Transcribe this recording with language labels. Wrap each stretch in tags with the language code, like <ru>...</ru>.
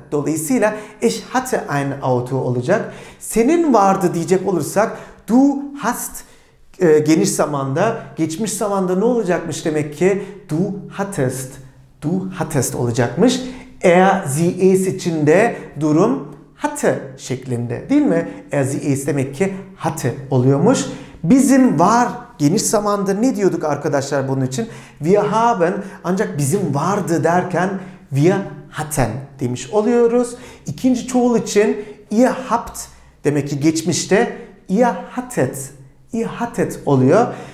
<tr>Dolayısıyla</tr> <de>ich hatte ein Auto</de> <tr>olacak. Senin vardı diyecek olursak</tr> <de>du hast</de> <tr>geniş zamanda, geçmiş zamanda ne olacakmış demek ki?</tr> <de>Du hattest. Du hattest</de> <tr>olacakmış.</tr> <de>Er, sie, es</de> <tr>için de durum hatte şeklinde, değil mi?</tr> <de>Sie ist</de> <tr>demek ki</tr> <de>hatte</de> <tr>oluyormuş. Bizim var geniş zamanda ne diyorduk arkadaşlar bunun için?</tr> <de>Wir haben,</de> <tr>ancak bizim vardı derken</tr> <de>wir hatten</de> <tr>demiş oluyoruz. İkinci çoğul için</tr> <de>ihr habt</de> <tr>demek ki geçmişte</tr> <de>ihr hattet</de> <tr>oluyor.</tr>